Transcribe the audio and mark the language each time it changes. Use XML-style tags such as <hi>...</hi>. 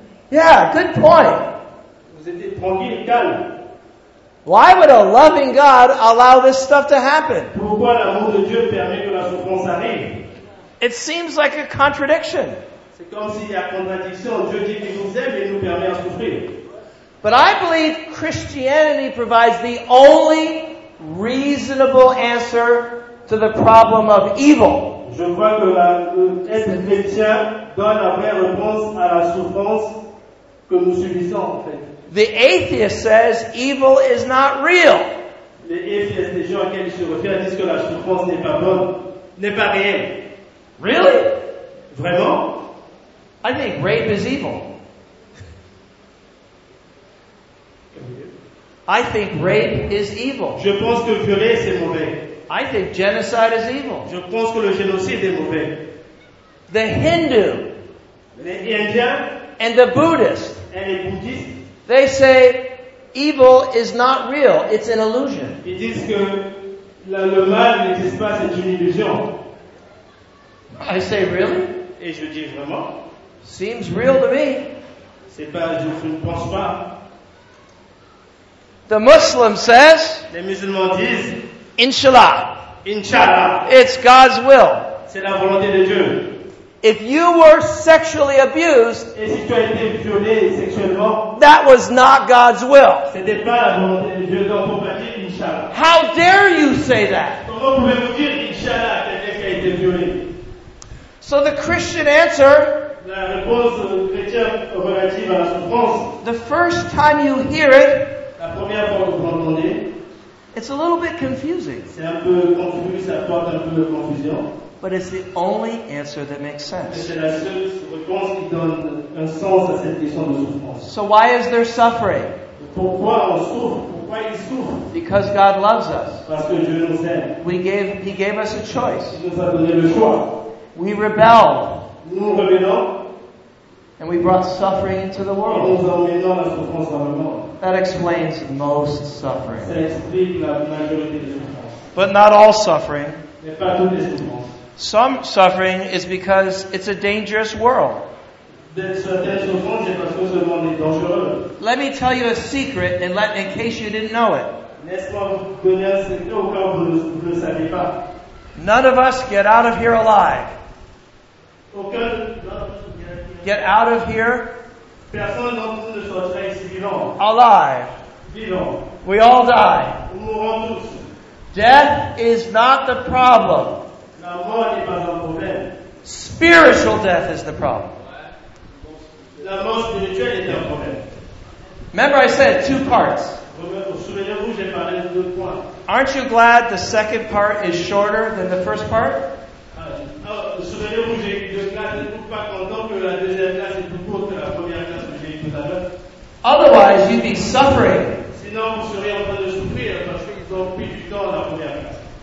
<en>Yeah, good point. Why would a loving God allow this stuff to happen?</en> <fr>Pourquoi l'amour de Dieu permet que la souffrance arrive?</fr> <en>It seems like a contradiction.</en> <fr>C'est comme s'il y a contradiction. Dieu dit qu'il nous aime et nous permet de souffrir.</fr> <en>But I believe Christianity provides the only reasonable answer to the problem of evil.</en> <fr>Je crois que être chrétien donne la vraie réponse à la souffrance que nous subissons, en fait.</fr> <en>The atheist says evil is not real.</en> <fr>Les atheistes, les gens à qui ils se réfèrent, disent que la souffrance n'est pas bonne, n'est pas réelle.</fr> <en>Really?</en> <fr>Vraiment?</fr> <en>I think rape is evil. I think rape is evil.</en> <fr>Je pense que violer, c'est mauvais.</fr> <en>I think genocide is evil.</en> <fr>Je pense que le génocide est mauvais.</fr> <en>The Hindu,</en> <fr>les Indiens,</fr> <en>and the Buddhist,</en> <fr>et les bouddhistes,</fr> <en>they say evil is not real, it's an illusion.</en> <fr>Ils disent que le mal n'existe pas, c'est une illusion.</fr> <en>I say, really?</en> <fr>Et je dis, vraiment?</fr> <en>Seems real to me.</en> <fr>C'est pas, je ne pense pas.</fr> <en>The Muslim says,</en> <fr>les musulmans disent,</fr> <ar>Inshallah. Inshallah.</ar> <en>It's God's will.</en> <fr>C'est la volonté de Dieu.</fr> <en>If you were sexually abused,</en> <fr>et si tu as été violé sexuellement,</fr> <en>that was not God's will.</en> <fr>C'était pas la volonté de Dieu, donc on va dire Inshallah.</fr> <en>How dare you say that?</en> <fr>Comment pouvez-vous dire Inshallah quelqu'un qui a été violé?</fr> <en>So the Christian answer,</en> <fr>la réponse chrétienne relative à la souffrance,</fr> <en>the first time you hear it,</en> <fr>la première fois que vous l'entendez,</fr> <en>it's a little bit confusing.</en> <fr>C'est un peu confus, ça porte un peu de confusion.</fr> <en>But it's the only answer that makes sense.</en> <fr>C'est la seule réponse qui donne un sens à cette question de souffrance.</fr> <en>So why is there suffering?</en> <fr>Pourquoi on souffre? Pourquoi il souffre?</fr> <en>Because God loves us.</en> <fr>Parce que Dieu nous aime.</fr> <en>He gave us a choice.</en> <fr>Il nous a donné le choix.</fr> <en>We rebelled.</en> <fr>Nous rebellons.</fr> <en>And we brought suffering into the world.</en> <fr>Et nous amenons la souffrance dans le monde.</fr> <en>That explains most suffering.</en> <fr>Ça explique la majorité des souffrances.</fr> <en>But not all suffering.</en> <fr>Mais pas toutes les souffrances.</fr> <en>Some suffering is because it's a dangerous world.</en> <fr>Certaines souffrances, c'est parce que ce monde est dangereux.</fr> <en>Let me tell you a secret in case you didn't know it.</en> <fr>Laisse-moi vous donner un secret au cas où vous ne le saviez pas.</fr> <en>None of us get out of here alive.</en> <fr>Aucun</fr> <en>get out of here.</en> <fr>Personne d'entre nous ne sortirait ici vivant.</fr> <en>Alive.</en> <fr>Vivant.</fr> <en>We all die.</en> <fr>Nous mourrons tous.</fr> <en>Death is not the problem.</en> <fr>La mort n'est pas un problème.</fr> <en>Spiritual death is the problem.</en> <fr>La mort spirituelle est un problème.</fr> <en>Remember I said two parts.</en> <fr>Souvenez-vous, j'ai parlé de deux points.</fr> <en>Aren't you glad the second part is shorter than the first part?</en> <fr>Souvenez-vous, je ne suis pas content que la deuxième classe est plus courte que la première classe que j'ai eue tout à l'heure.</fr> <en>Otherwise, you'd be suffering.</en> <fr>Sinon, vous seriez en train de souffrir parce qu'ils ont pris du temps à la première classe.</fr>